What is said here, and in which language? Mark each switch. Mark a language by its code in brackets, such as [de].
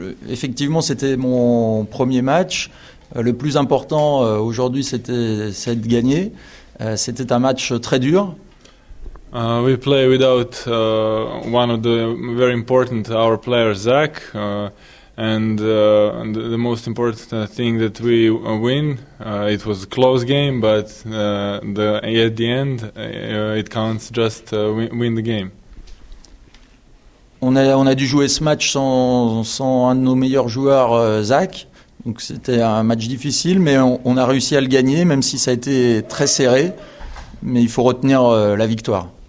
[fr] Effectivement, c'était mon premier match. Le plus important aujourd'hui, c'est de gagner. C'était un match très dur. [en] We play without one of the very important our players, Zach. And the most important thing that we win. It was a close game, but at the end, it counts. Just win the game. [fr] On a dû jouer ce match sans un de nos meilleurs joueurs, Zach. Donc c'était un match difficile, mais on a réussi à le gagner, même si ça a été très serré. Mais il faut retenir la victoire.